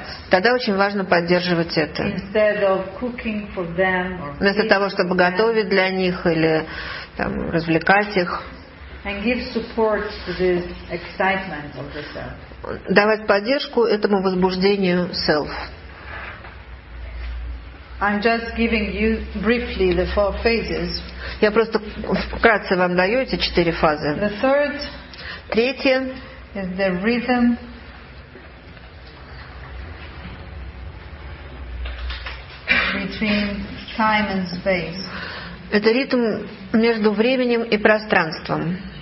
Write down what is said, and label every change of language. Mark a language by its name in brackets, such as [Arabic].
[Russian] Тогда очень важно поддерживать это. Вместо того, чтобы готовить для них или там, развлекать их. [English] And give support to this excitement of the self. [Russian] Давать поддержку этому возбуждению self. [English] I'm just giving you briefly the four phases. [Russian] Я просто вкратце вам даю эти четыре фазы. [English] The third. [Russian] Третье. [English] Is the rhythm. Between time and space. [Russian] Это ритм между временем и пространством.